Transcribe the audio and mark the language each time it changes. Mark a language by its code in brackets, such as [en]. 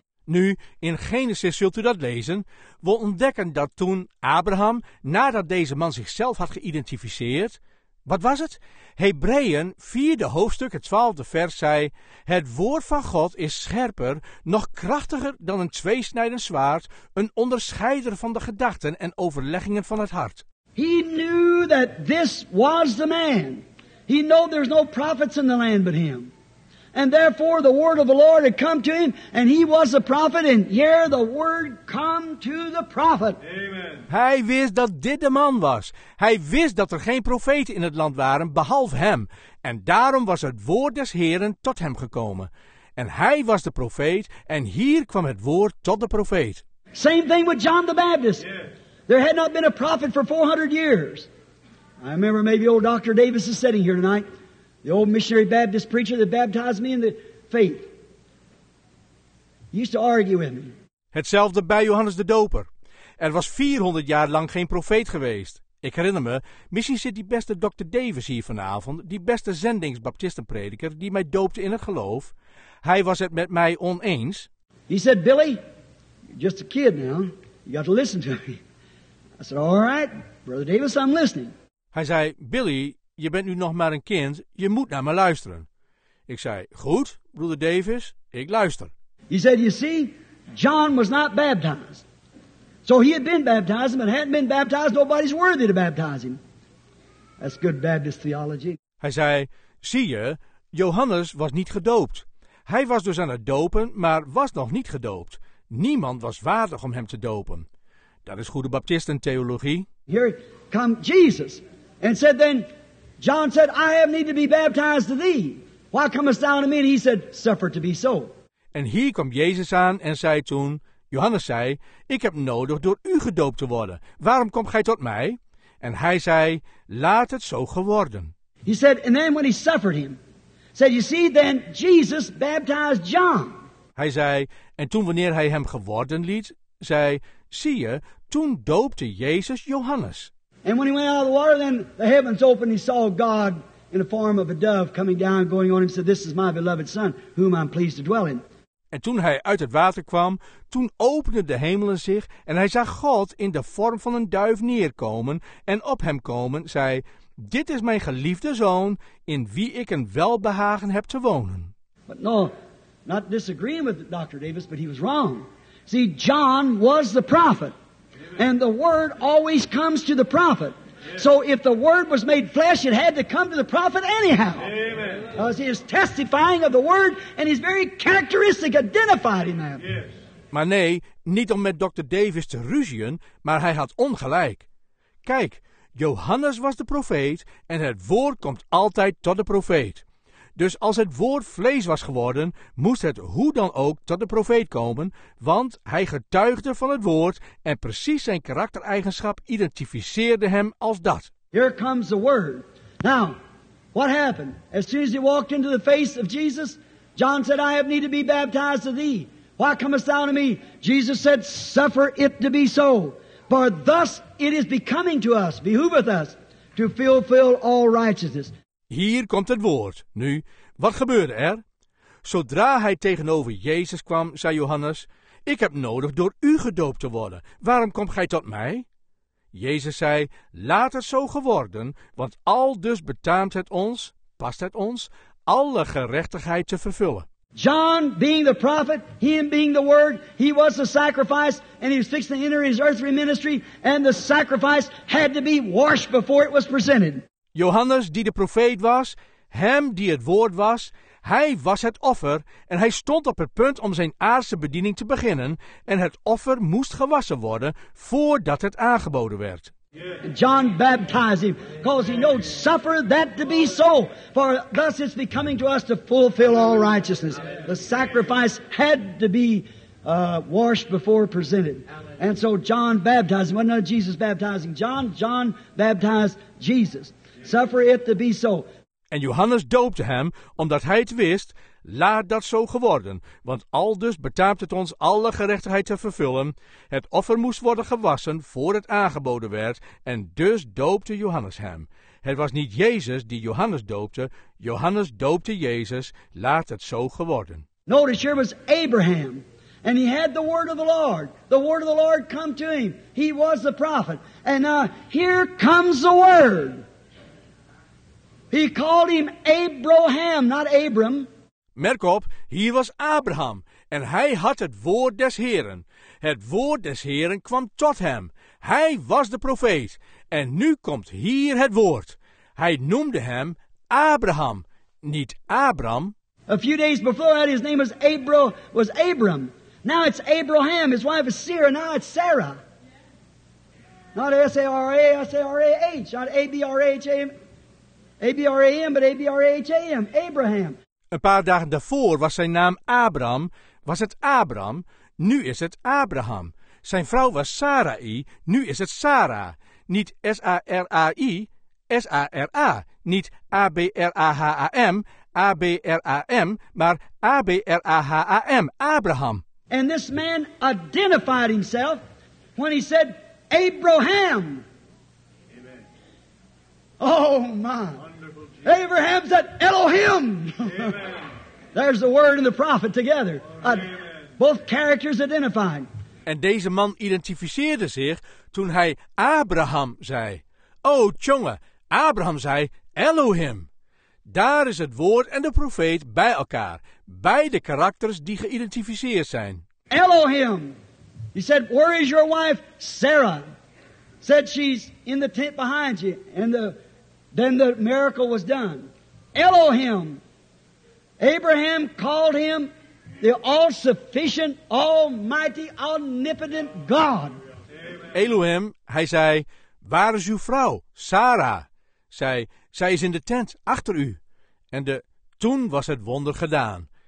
[nl] Nu, in Genesis zult u dat lezen, we ontdekken dat toen Abraham, nadat deze man zichzelf had geïdentificeerd, wat was het? Hebreeën 4e hoofdstuk, het 12e vers zei, het woord van God is scherper, nog krachtiger dan een tweesnijdend zwaard, een onderscheider van de gedachten en overleggingen van het hart. [en] He knew that this was the man. He knew there's no prophets in the land but him. And therefore the word of the Lord had come to him, and he was the prophet, and here the word come to the prophet. Amen. [nl] Hij wist dat dit de man was. Hij wist dat er geen profeten in het land waren, behalve hem. En daarom was het woord des Heren tot hem gekomen. En hij was de profeet, en hier kwam het woord tot de profeet. [en] Same thing with John the Baptist. Yes. There had not been a prophet for 400 years. I remember maybe old Dr. Davis is sitting here tonight. The old missionary Baptist preacher that baptized me in the faith. He used to argue with me. [nl] Hetzelfde bij Johannes de Doper. Er was 400 jaar lang geen profeet geweest. Ik herinner me, misschien zit die beste Dr. Davis hier vanavond, die beste zendingsbaptistenprediker die mij doopte in het geloof. Hij was het met mij oneens. [en] He said, Billy, you're just a kid now. You got to listen to me. I said, all right, Brother Davis, I'm listening. [nl] Hij zei, Billy, je bent nu nog maar een kind, je moet naar me luisteren. Ik zei, goed, broeder Davis, ik luister. [en] He said, you see, John was not baptized. So he had been baptized, but hadn't been baptized, nobody's worthy to baptize him. That's good Baptist theology. [nl] Hij zei, zie je, Johannes was niet gedoopt. Hij was dus aan het dopen, maar was nog niet gedoopt. Niemand was waardig om hem te dopen. Dat is goede baptistentheologie. [en] Here come Jesus. And said then, John said, I have need to be baptized to thee. Why comest thou to me? And he said, suffer to be so. [nl] En hier kwam Jezus aan en zei toen, Johannes zei, ik heb nodig door u gedoopt te worden. Waarom komt gij tot mij? En hij zei, laat het zo geworden. [en] He said, and then when he suffered him, said, you see, then Jesus baptized John. [nl] Hij zei, en toen wanneer hij hem geworden liet, zei, zie je, toen doopte Jezus Johannes. [en] And when he went out of the water, then the heavens opened, he saw God in the form of a dove coming down, going on him, said, this is my beloved son, whom I'm pleased to dwell in. [nl] En toen hij uit het water kwam, toen openden de hemelen zich, en hij zag God in de vorm van een duif neerkomen, en op hem komen, zei, dit is mijn geliefde zoon, in wie ik een welbehagen heb te wonen. [en] But no, not disagreeing with Dr. Davis, but he was wrong. See, John was the prophet. And the word always comes to the prophet. So if the word was made flesh, it had to come to the prophet anyhow. Amen. Because he is testifying of the word, and his very characteristic identified in that. Yes. [nl] Maar nee, niet om met Dr. Davis te ruzien, maar hij had ongelijk. Kijk, Johannes was de profeet, en het woord komt altijd tot de profeet. Dus als het woord vlees was geworden, moest het hoe dan ook tot de profeet komen, want hij getuigde van het woord en precies zijn karaktereigenschap identificeerde hem als dat. [en] Here comes the word. Now, what happened? As soon as he walked into the face of Jesus, John said, I have need to be baptized of thee. Why comest thou to me? Jesus said, suffer it to be so. For thus it is becoming to us, behooveth us, to fulfill all righteousness. [nl] Hier komt het woord. Nu, wat gebeurde er? Zodra hij tegenover Jezus kwam, zei Johannes, ik heb nodig door u gedoopt te worden. Waarom komt gij tot mij? Jezus zei, laat het zo geworden, want aldus betaamt het ons, past het ons, alle gerechtigheid te vervullen. [en] John being the prophet, him being the word, he was the sacrifice, and he was fixing to enter his earthly ministry, and the sacrifice had to be washed before it was presented. [nl] Johannes, die de profeet was, hem die het woord was, hij was het offer en hij stond op het punt om zijn aardse bediening te beginnen en het offer moest gewassen worden voordat het aangeboden werd. [en] John baptized him, because he knows suffer that to be so, for thus it's becoming to us to fulfill all righteousness. The sacrifice had to be washed before presented. And so John baptized him. Well, not Jesus baptizing John, John baptized Jesus. Suffer it to be so. [nl] En Johannes doopte hem, omdat hij het wist, laat dat zo geworden, want aldus betaamt het ons alle gerechtigheid te vervullen. Het offer moest worden gewassen voor het aangeboden werd, en dus doopte Johannes hem. Het was niet Jezus die Johannes doopte, Johannes doopte Jezus, laat het zo geworden. [en] Notice here was Abraham, and he had the word of the Lord. The word of the Lord come to him. He was the prophet. And here comes the word. He called him Abraham, not Abram. [nl] Merk op, hier was Abraham en hij had het woord des Heren. Het woord des Heren kwam tot hem. Hij was de profeet en nu komt hier het woord. Hij noemde hem Abraham, niet Abram. [en] A few days before that his name was Abram. Now it's Abraham, his wife is Sarah, now it's Sarah. Not S-A-R-A-S-A-R-A-H, not A-B-R-A-H-A-M. A-B-R-A-M, but A-B-R-A-H-A-M, Abraham. [nl] Een paar dagen daarvoor was zijn naam Abram. Was het Abram? Nu is het Abraham. Zijn vrouw was Sarai, nu is het Sarah. Niet S-A-R-A-I, S-A-R-A. Niet A-B-R-A-H-A-M, A-B-R-A-M, maar A-B-R-A-H-A-M, Abraham. [en] And this man identified himself when he said, Abraham. Oh, my. Abraham said, Elohim. There's the word and the prophet together. Both characters identifying. [nl] En deze man identificeerde zich toen hij Abraham zei. Oh, tjonge, Abraham zei Elohim. Daar is het woord en de profeet bij elkaar. Beide karakters die geïdentificeerd zijn. [en] Elohim. He said, "Where is your wife, Sarah?" Said, "She's in the tent behind you." And then the miracle was done. Elohim. Abraham called him the all-sufficient, almighty, omnipotent God. [nl] Elohim, hij zei, "Waar is uw vrouw, Sarah?" Zij is in de tent, achter u. En toen was het wonder gedaan.